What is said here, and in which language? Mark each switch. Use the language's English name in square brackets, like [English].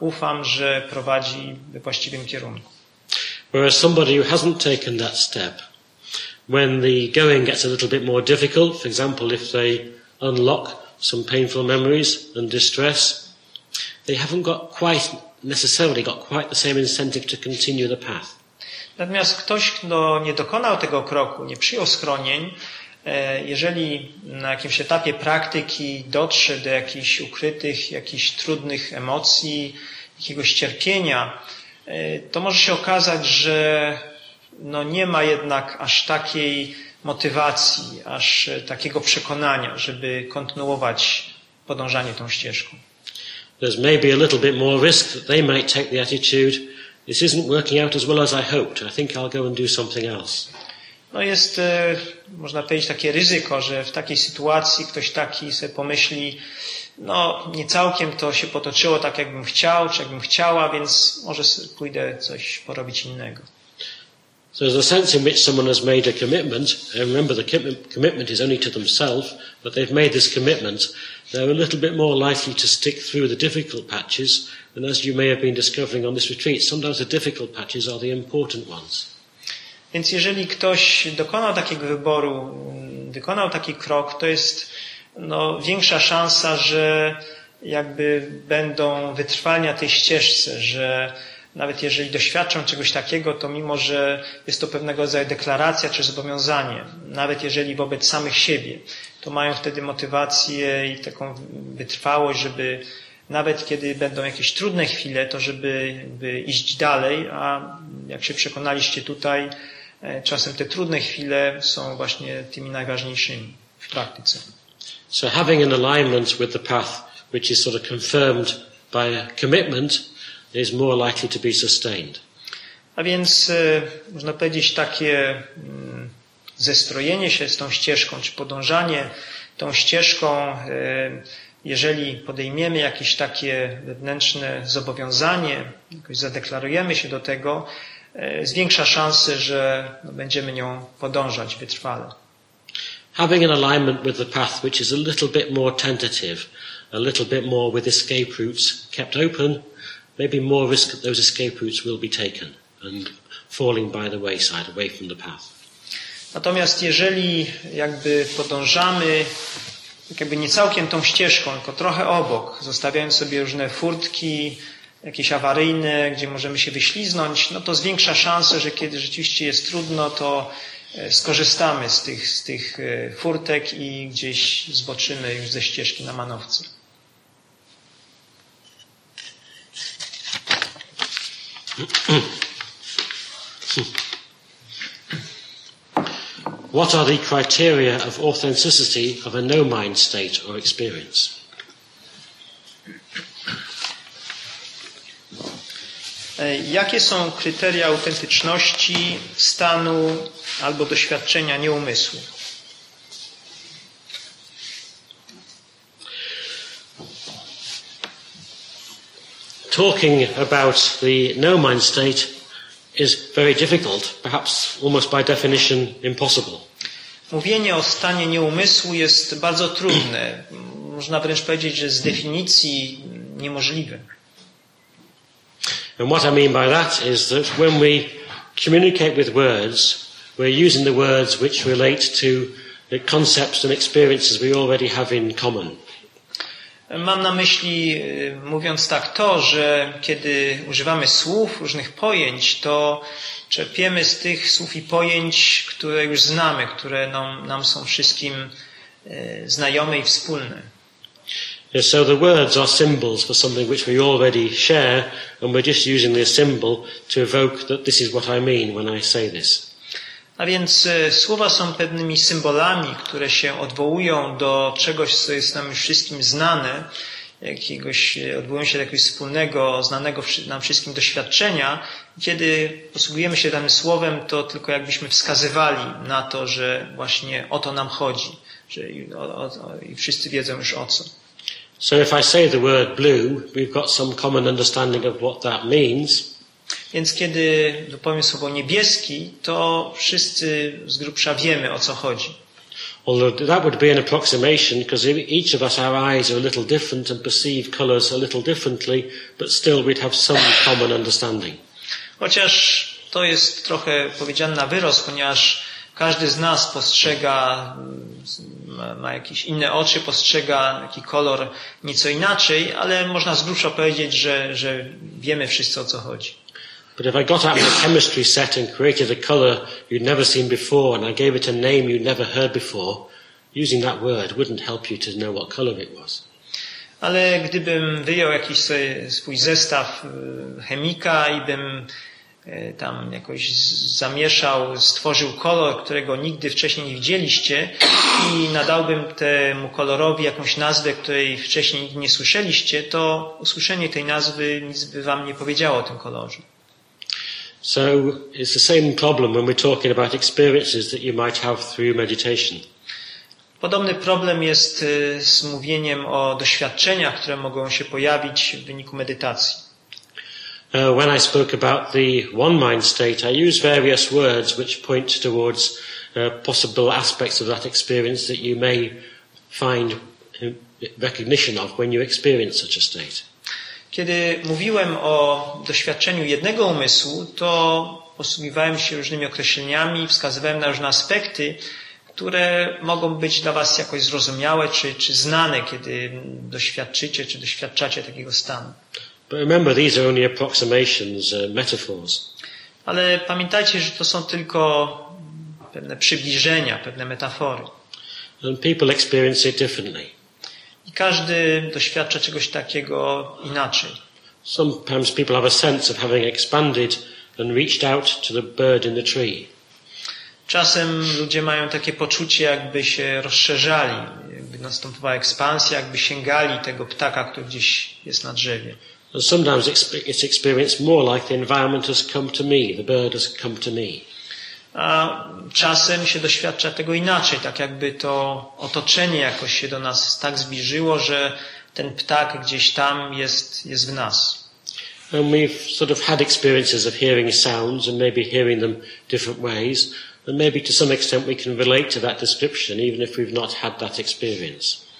[Polish] Ufam, że prowadzi we właściwym kierunku. [English] Whereas somebody who hasn't taken that step, when the going gets a little bit more difficult, for example, if they unlock some painful memories and distress, they haven't necessarily got quite the same incentive to continue the path. [Polish] Natomiast ktoś, kto nie dokonał tego kroku, nie przyjął schronień, jeżeli na jakimś etapie praktyki dotrze do jakichś ukrytych, jakichś trudnych emocji, jakiegoś cierpienia, to może się okazać, że no nie ma jednak aż takiej motywacji, aż takiego przekonania, żeby kontynuować podążanie tą ścieżką. [English] There's maybe a little bit more risk that they might take the attitude, this isn't working out as well as I hoped, I think I'll go and do something else. [Polish] No jest, można powiedzieć, takie ryzyko, że w takiej sytuacji ktoś taki sobie pomyśli, no nie całkiem to się potoczyło tak, jakbym chciał, czy jakbym chciała, więc może pójdę coś porobić innego. [English] So there's a sense in which someone has made a commitment, and remember the commitment is only to themselves, but they've made this commitment, they're a little bit more likely to stick through the difficult patches, and as you may have been discovering on this retreat, sometimes the difficult patches are the important ones. [Polish] Więc jeżeli ktoś dokonał takiego wyboru, wykonał taki krok, to jest no, większa szansa, że jakby będą wytrwali na tej ścieżce, że nawet jeżeli doświadczą czegoś takiego, to mimo, że jest to pewnego rodzaju deklaracja czy zobowiązanie, nawet jeżeli wobec samych siebie, to mają wtedy motywację i taką wytrwałość, żeby nawet kiedy będą jakieś trudne chwile, to żeby jakby iść dalej, a jak się przekonaliście tutaj, czasem te trudne chwile są właśnie tymi najważniejszymi w praktyce. [English] So having an alignment with the path which is sort of confirmed by a commitment is more likely to be sustained. [Polish] A więc można powiedzieć takie zestrojenie się z tą ścieżką, czy podążanie tą ścieżką, jeżeli podejmiemy jakieś takie wewnętrzne zobowiązanie, jakoś zadeklarujemy się do tego, zwiększa szanse, że będziemy nią podążać wytrwale. [English] Having an alignment with the path which is a little bit more tentative, a little bit more with escape routes kept open, maybe more risk that those escape routes will be taken and falling by the wayside, away from the path. [Polish] Natomiast jeżeli jakby podążamy jakby nie całkiem tą ścieżką, tylko trochę obok, zostawiając sobie różne furtki, jakieś awaryjne, gdzie możemy się wyśliznąć, no to zwiększa szansę, że kiedy rzeczywiście jest trudno, to skorzystamy z tych furtek i gdzieś zboczymy już ze ścieżki na manowce. [English] What are the criteria of authenticity of a no-mind state or experience? [Polish] Jakie są kryteria autentyczności stanu albo doświadczenia nieumysłu? [English] Talking about the no-mind state is very difficult, perhaps almost by definition impossible. [Polish] Mówienie o stanie nieumysłu jest bardzo trudne. Można wręcz powiedzieć, że z definicji niemożliwe. [English] And what I mean by that is that when we communicate with words, we're using the words which relate to the concepts and experiences we already have in common. [Polish] Mam na myśli, mówiąc tak, to, że kiedy używamy słów, różnych pojęć, to czerpiemy z tych słów i pojęć, które już znamy, które nam są wszystkim znajome i wspólne. [English] Yes, so the words are symbols for something which we already share, and we're just using the symbol to evoke that this is what I mean when I say this. [Polish] A więc słowa są pewnymi symbolami, które się odwołują do czegoś, co jest nam wszystkim znane, jakiegoś, odwołują się do jakiegoś wspólnego, znanego nam wszystkim doświadczenia. Kiedy posługujemy się danym słowem, to tylko jakbyśmy wskazywali na to, że właśnie o to nam chodzi, że i wszyscy wiedzą już o co. [English] So if I say the word blue, we've got some common understanding of what that means. [Polish] Więc kiedy wypowiem słowo niebieski, to wszyscy z grubsza wiemy, o co chodzi. [English] Although that would be an approximation, because each of us, our eyes are a little different and perceive colors a little differently, but still we'd have some common understanding. [Polish] Chociaż to jest trochę powiedziane na wyrost, ponieważ każdy z nas postrzega, ma jakieś inne oczy, postrzega taki kolor nieco inaczej, ale można z grubsza powiedzieć, że wiemy wszyscy, o co chodzi. [English] But if I got out of the chemistry set and created a color you'd never seen before and I gave it a name you'd never heard before, using that word wouldn't help you to know what color it was. [Polish] Ale gdybym wyjął jakiś swój zestaw chemika i bym tam jakoś zamieszał, stworzył kolor, którego nigdy wcześniej nie widzieliście i nadałbym temu kolorowi jakąś nazwę, której wcześniej nigdy nie słyszeliście, to usłyszenie tej nazwy nic by wam nie powiedziało o tym kolorze. [English] So it's the same problem when we're talking about experiences that you might have through meditation. [Polish] Podobny problem jest z mówieniem o doświadczeniach, które mogą się pojawić w wyniku medytacji. [English] When I spoke about the one mind state, I use various words which point towards possible aspects of that experience that you may find recognition of when you experience such a state. [Polish] Kiedy mówiłem o doświadczeniu jednego umysłu, to posługiwałem się różnymi określeniami, wskazywałem na różne aspekty, które mogą być dla was jakoś zrozumiałe czy znane, kiedy doświadczycie czy doświadczacie takiego stanu. [English] But remember, these are only approximations, metaphors. [Polish] Ale pamiętajcie, że to są tylko pewne przybliżenia, pewne metafory. [English] And people experience it differently. [Polish] I każdy doświadcza czegoś takiego inaczej. [English] Sometimes people have a sense of having expanded and reached out to the bird in the tree. [Polish] Czasem ludzie mają takie poczucie, jakby się rozszerzali, jakby nastąpiła ekspansja, jakby sięgali tego ptaka, który gdzieś jest na drzewie. [English] And sometimes it's experienced more like the environment has come to me, the bird has come to me. [Polish] A czasem się doświadcza tego inaczej, tak jakby to otoczenie jakoś się do nas tak zbliżyło, że ten ptak gdzieś tam jest w nas. [English] And we've sort of had experiences of hearing sounds and maybe hearing them different ways, and maybe to some extent we can relate to that description, even if we've not had that experience.